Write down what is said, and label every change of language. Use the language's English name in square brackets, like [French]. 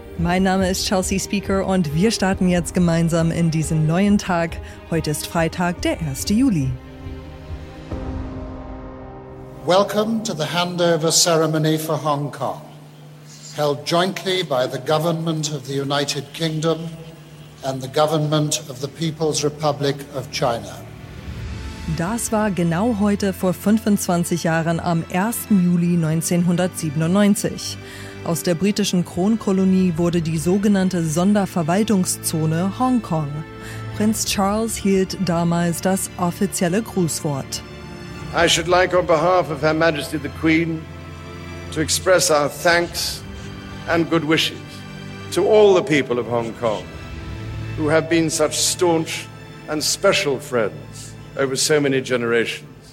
[German] Mein Name ist Chelsea Speaker und wir starten jetzt gemeinsam in diesen neuen Tag. Heute ist Freitag, der 1. Juli. [English] Welcome to the handover ceremony for Hong Kong, held jointly by the Government of the United Kingdom and the Government of the People's Republic of China. [German] Das war genau heute vor 25 Jahren am 1. Juli 1997. Aus der britischen Kronkolonie wurde die sogenannte Sonderverwaltungszone Hongkong. Prinz Charles hielt damals das offizielle Grußwort. [English] I should like on behalf of Her Majesty the Queen to express our thanks and good wishes to all the people of Hong Kong who have been such staunch and special friends over so many generations.